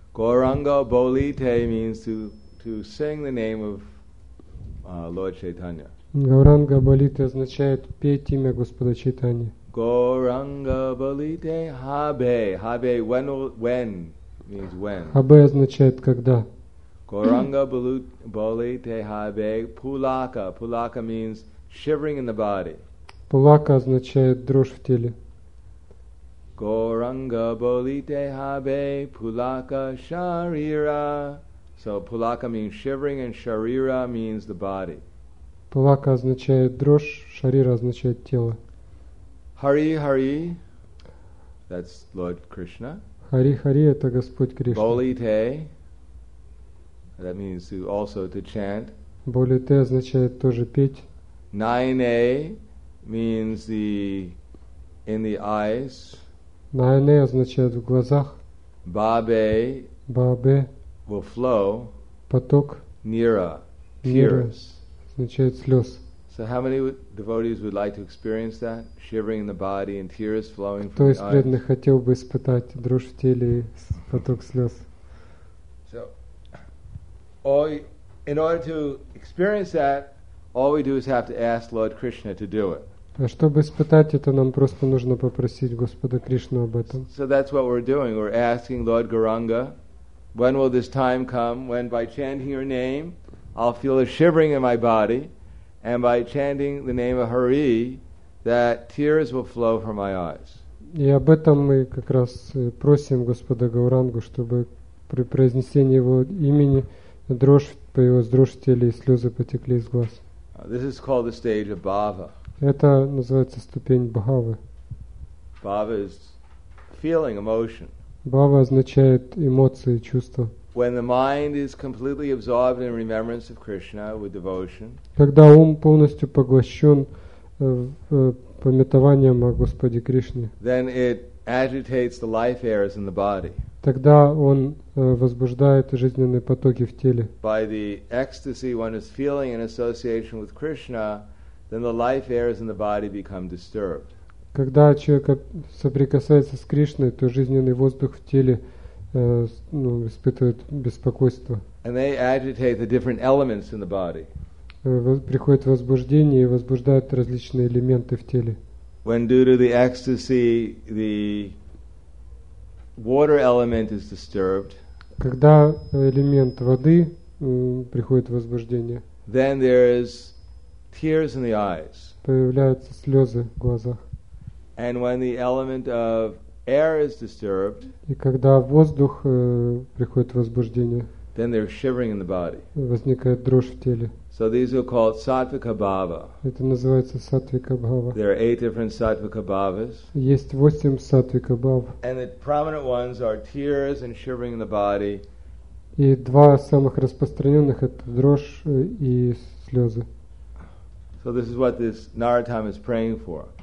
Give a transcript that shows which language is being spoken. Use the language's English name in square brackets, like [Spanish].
[English] Gauranga Bolite means to sing the name of Lord Chaitanya. [Russian] Gauranga Bolite означает петь имя Господа Чайтанья. [Bangla] Gauranga Bolite Habe. [English] Habe, when means when. [Russian] Habe означает когда. [Bangla] Gauranga Bolite Habe Pulaka. [English] Pulaka means shivering in the body. [Russian] Пулака означает дрожь в теле. [Bangla] Gauranga Bolite Habe Pulaka Sharira. [English] So Pulaka means shivering and Sharira means the body. [Russian] Пулака означает дрожь, Шарира означает тело. [English] Hari Hari. That's Lord Krishna. [Russian] Hari Hari — это Господь Кришна. [Bangla] Bolite. [English] That means also to chant. [Russian] Bolite означает тоже петь. [English] Nayane means the in the eyes. [Russian] Nayane означает в глазах. [Bangla] Babe. Babe. [English] Will flow. [Russian] Поток. [Bangla] Nira. [English] Tears. [Russian] Означает слез. [English] So how many devotees would like to experience that? Shivering in the body and tears flowing from the eyes. [Russian] Кто из преданных хотел бы испытать дрожь в теле и поток слез? [English] So, in order to experience that, all we do is have to ask Lord Krishna to do it. [Russian] Чтобы испытать это, нам просто нужно попросить Господа Кришну об этом. [English] So that's what we're doing. We're asking Lord Gauranga, when will this time come when by chanting your name, I'll feel a shivering in my body, and by chanting the name of Hari, that tears will flow from my eyes. [Russian] И об этом мы как раз просим Господа Гаурангу, чтобы при произнесении его имени дрожь появилась, дрожь в теле, и слезы потекли из глаз. [English] This is called the stage of bhava. [Russian] Это называется ступень бхавы. [English] Bhava is feeling, emotion. [Russian] Бхава означает эмоции, чувства. [English] When the mind is completely absorbed in remembrance of Krishna with devotion. [Russian] Когда ум полностью поглощен памятованием о Господе Кришне. [English] Then it agitates the life airs in the body. [Russian] Тогда он возбуждает жизненные потоки в теле. [English] By the ecstasy one is feeling in association with Krishna, then the life airs in the body become disturbed. [Russian] Когда человек соприкасается с Кришной, то жизненный воздух в теле испытывает беспокойство. [English] And they agitate the different elements in the body. [Russian] Приходит возбуждение и возбуждает различные элементы в теле. [English] When due to the ecstasy, the water element is disturbed. [Russian] Когда элемент воды приходит в возбуждение. [English] Then there is tears in the eyes. [Russian] Появляются слезы в глазах. [English] And when the element of air is disturbed. [Russian] И когда воздух приходит в возбуждение. [English] Then there is shivering in the body. [Russian] Возникает дрожь в теле. [English] So these are called sattvika bhava. [Russian] Это называется сатвика бхава. [English] There are 8 different sattvika bhavas. [Russian] Есть 8 сатвика бхав. [English] And the prominent ones are tears and shivering in the body. [Russian] И два самых распространенных — это дрожь и слезы. [English] So this is what this Narottam is praying for.